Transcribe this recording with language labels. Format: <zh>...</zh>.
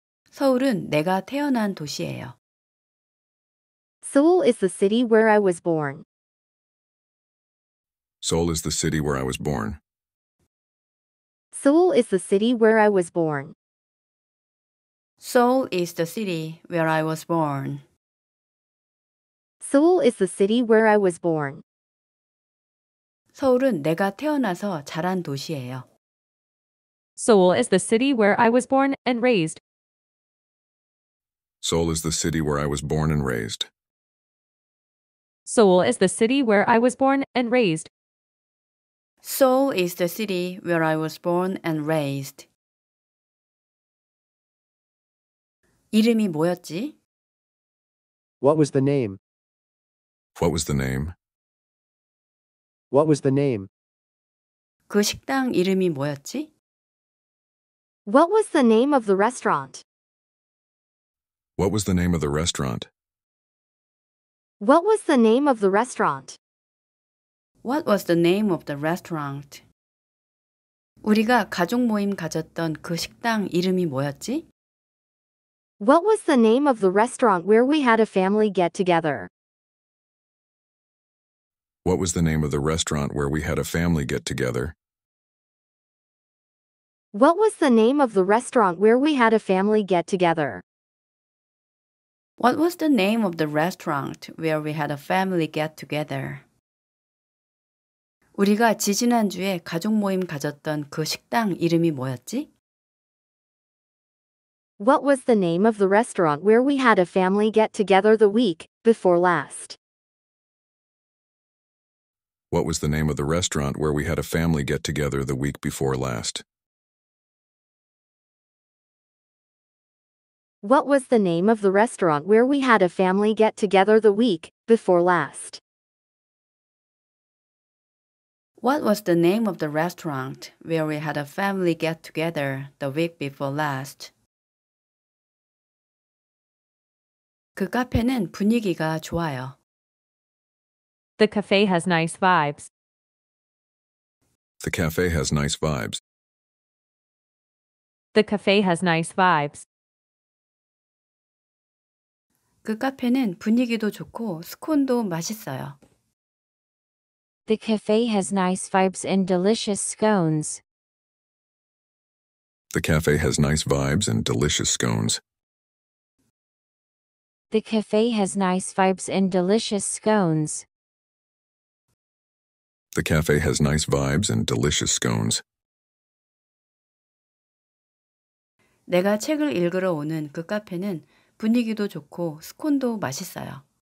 <ko>서울은 내가 태어난 도시예요.</ko> <en>Seoul is the city where I was born. Seoul is the city where I was born. Seoul is the city where I was born. Seoul is the city where I was born. Seoul is the city where I was born.</en> <ko>서울은 내가 태어나서 자란 도시예요.</ko> <en>Seoul is the city where I was born and raised. Seoul is the city where I was born and raised. Seoul is the city where I was born and raised. Seoul is the city where I was born and raised.</en> <ko>이름이 뭐였지?</ko> <en>What was the name? What was the name? What was the name?</en> <ko>그 식당 이름이 뭐였지?</ko> <en>What was the name of the restaurant? What was the name of the restaurant? What was the name of the restaurant? What was the name of the restaurant?</en> <ko>우리가 가족 모임 가졌던 그 식당 이름이 뭐였지?</ko> <en>What was the name of the restaurant where we had a family get together? What was the name of the restaurant where we had a family get together? What was the name of the restaurant where we had a family get together? What was the name of the restaurant where we had a family get together?</en> <ko>우리가 지지난주에 가족 모임 가졌던 그 식당 이름이 뭐였지?</ko> <en>What was the name of the restaurant where we had a family get together the week before last? What was the name of the restaurant where we had a family get together the week before last? What was the name of the restaurant where we had a family get together the week before last? What was the name of the restaurant where we had a family get together the week before last?</en> <ko>그 카페는 분위기가 좋아요.</ko> <en>The cafe has nice vibes. The cafe has nice vibes. The cafe has nice vibes.</en> <ko>그 카페는 분위기도 좋고 스콘도 맛있어요.</ko> <en>The cafe has nice vibes and delicious scones. The cafe has nice vibes and delicious scones. The cafe has nice vibes and delicious scones. The cafe has nice vibes and delicious scones.</en> <ko>내가 책을 읽으러 오는 그 카페는 분위기도 좋고 스콘도 맛있어요.</ko>